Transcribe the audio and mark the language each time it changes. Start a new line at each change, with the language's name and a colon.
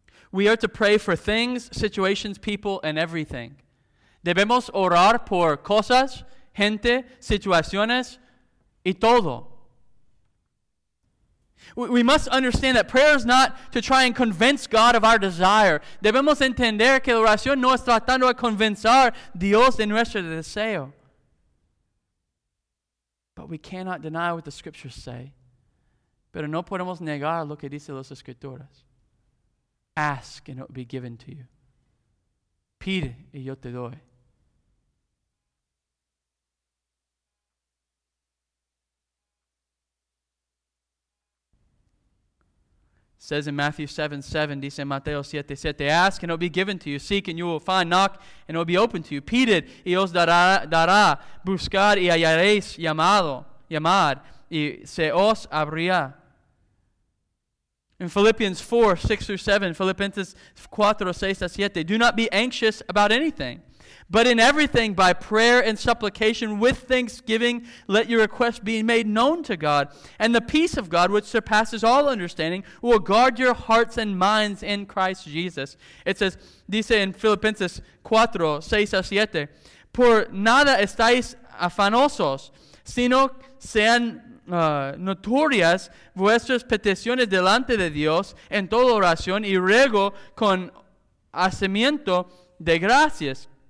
English: We are to pray for things, situations, people, and everything.
Spanish: Debemos orar por cosas, gente, situaciones, y todo.
English: We must understand that prayer is not to try and convince God of our desire.
Spanish: Debemos entender que la oración no es tratando de convencer a Dios de nuestro deseo.
English: But we cannot deny what the Scriptures say.
Spanish: Pero no podemos negar lo que dicen las Escrituras.
English: Ask and it will be given to you.
Spanish: Pide y yo te doy.
English: says in Matthew 7:7,
Spanish: dice Mateo 7:7,
English: ask and it will be given to you. Seek and you will find. Knock and it will be opened to you.
Spanish: Pedid y os dará. Buscad y hallaréis. Llamad y se os abrirá.
English: In Philippians 4:6-7, Filipenses 4:6-7, do not be anxious about anything, but in everything, by prayer and supplication, with thanksgiving, let your requests be made known to God. And the peace of God, which surpasses all understanding, will guard your hearts and minds in Christ Jesus. It says,
Spanish: dice in Filipenses 4:6-7, por nada estáis afanosos, sino sean notorias vuestras peticiones delante de Dios en toda oración y ruego con hacimiento de gracias.